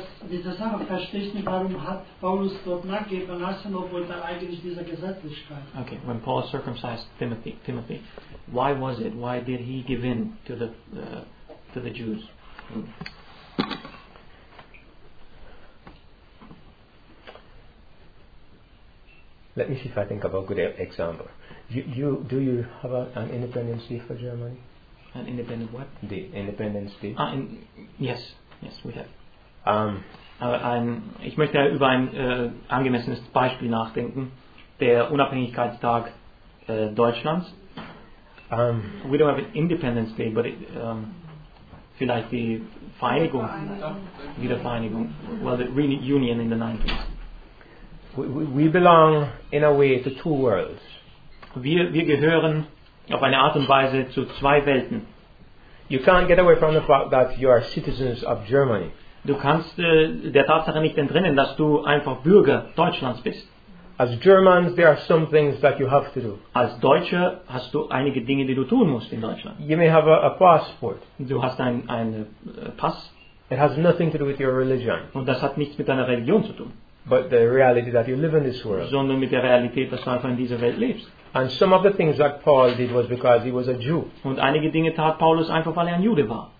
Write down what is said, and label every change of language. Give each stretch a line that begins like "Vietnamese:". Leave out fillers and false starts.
German: Diese Sache verstehe ich nicht, warum hat Paulus dort nachgeben lassen, obwohl da eigentlich diese Gesetzlichkeit.
English: Okay, when Paul circumcised Timothy, why was it? Why did he give in to the Jews? Let me see if I think of a good example. Do you have an Independence Day for Germany? An independent what? Day. Independence Day. Yes, we have.
German: Ich möchte über ein angemessenes Beispiel nachdenken. Der Unabhängigkeitstag Deutschlands.
English: We don't have an Independence Day, but
German: vielleicht die Vereinigung. Wiedervereinigung.
English: Well, the reunion in the 90s. We belong in a way to two worlds.
German: Wir gehören auf eine Art und Weise zu zwei Welten.
English: You can't get away from the fact that you are citizens of Germany.
German: Du kannst der Tatsache nicht entrinnen, dass du einfach Bürger Deutschlands bist.
English: As Germans, there are some things that you have to do.
German: Als Deutscher hast du einige Dinge, die du tun musst in Deutschland.
English: You may have a passport.
German: Du hast ein Pass.
English: It has nothing to do with your religion.
German: Und das hat nichts mit deiner Religion zu tun.
English: But the reality that you live in this world.
German: Sondern mit der Realität, dass du einfach in dieser Welt lebst.
English: And some of the things that Paul did was because he was a Jew.
German: Und einige Dinge tat Paulus einfach, weil er ein Jude war.